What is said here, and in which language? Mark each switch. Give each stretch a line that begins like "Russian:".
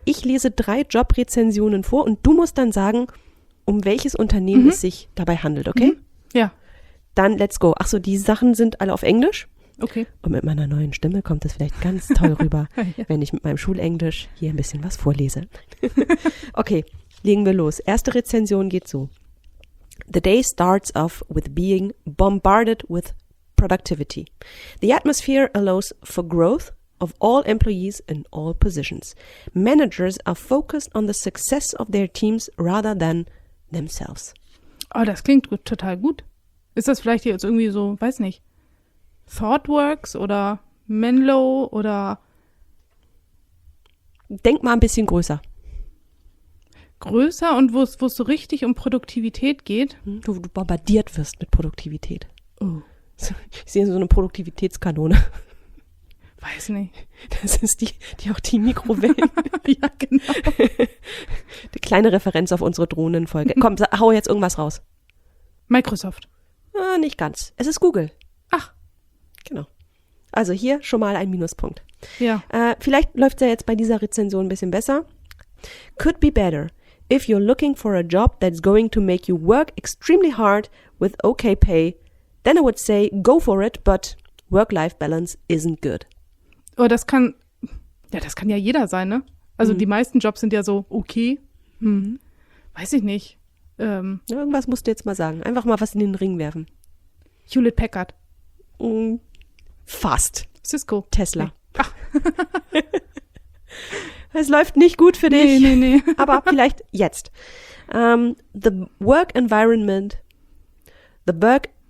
German: Ich lese drei Jobrezensionen vor und du musst dann sagen, um welches Unternehmen es sich dabei handelt, okay? Mhm. Ja. Dann
English: let's go.
German: Ach so, die Sachen sind alle auf Englisch. Okay. Und mit meiner neuen Stimme kommt es vielleicht ganz toll rüber, ja, wenn ich mit meinem Schulenglisch hier ein bisschen was vorlese. Okay, legen wir los. Erste Rezension geht so.
English: The day starts off with being bombarded with productivity. The atmosphere allows for growth of all employees in all positions. Managers are focused on the success of their teams rather than themselves.
German: Oh, das klingt gut, total gut. Ist das vielleicht jetzt irgendwie so, weiß nicht, ThoughtWorks oder Menlo oder? Denk mal ein bisschen größer. Größer und wo es so richtig um Produktivität geht? Wo du bombardiert wirst mit Produktivität. Oh. Ich sehe so eine Produktivitätskanone. Weiß nicht. Das ist die auch die Mikrowellen. Ja, genau. Die kleine Referenz auf unsere Drohnenfolge. Komm, hau jetzt irgendwas raus. Microsoft. Ja, nicht ganz. Es ist Google. Ach. Genau. Also hier schon mal ein Minuspunkt. Ja. Vielleicht läuft es ja jetzt bei dieser Rezension ein bisschen besser.
English: Could be better. If you're looking for a job that's going to make you work extremely hard with okay pay, then I would say, go for it, but work-life-balance isn't good.
German: Oh, das kann ja jeder sein, ne? Also die meisten Jobs sind ja so okay. Weiß ich nicht. Irgendwas musst du jetzt mal sagen. Einfach mal was in den Ring werfen. Hewlett-Packard. Fast. Cisco. Tesla. Es läuft nicht gut für dich. Nee. Aber vielleicht jetzt.
English: The work environment, the work.